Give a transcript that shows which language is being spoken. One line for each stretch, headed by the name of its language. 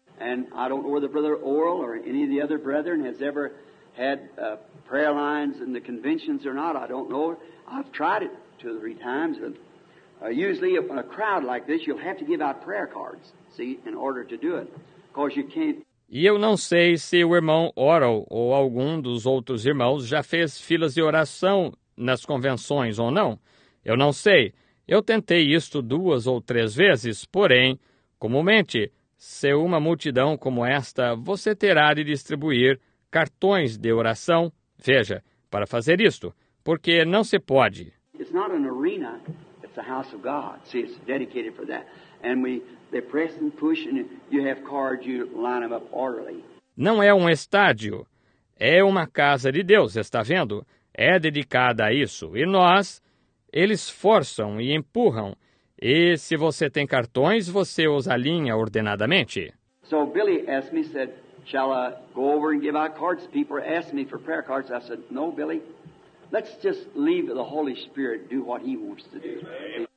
English: And I don't know whether Brother Oral or any of the other brethren has ever had prayer lines in the conventions or not. I don't know. I've tried it 2 or 3 times. But, usually, in a crowd like this, you'll have to give out prayer cards, see, in order to do it. Because you can't...
Portuguese: E eu não sei se o irmão Oral ou algum dos outros irmãos já fez filas de oração nas convenções ou não. Eu não sei. Eu tentei isto 2 ou 3 vezes, porém, comumente... Se uma multidão como esta, você terá de distribuir cartões de oração, veja, para fazer isto, porque não se pode.
English: It's not an arena, it's a house of God. See, it's dedicated for that. And they press and push and you have cards, you line them up orderly.
Portuguese: Não é um estádio, é uma casa de Deus, está vendo? É dedicada a isso. E nós, eles forçam e empurram. E se você tem cartões, você os alinha ordenadamente.
English: So Billy asked me, said, shall I go over and give out cards? People asked me for prayer cards. I said, no, Billy. Let's just leave the Holy Spirit do what he wants to do.